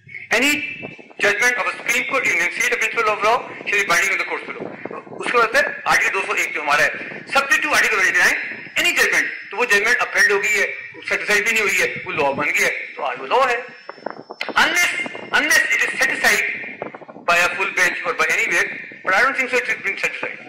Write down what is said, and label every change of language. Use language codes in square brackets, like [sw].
[en] Any judgment of a supreme court enunciate the principle of law shall be binding on the courts below. [ur] Uske baad hai article 201 jo hamara hai [en] subject to article 189. Any judgment, [ur] to wo judgment upheld hogi hai, سیٹسائڈ بھی نہیں ہوئی ہے, وہ لا بن گیا تو آج وہ لا ہے. [en] unless it is set aside by a full bench or by anywhere, but I don't think so it has been set aside.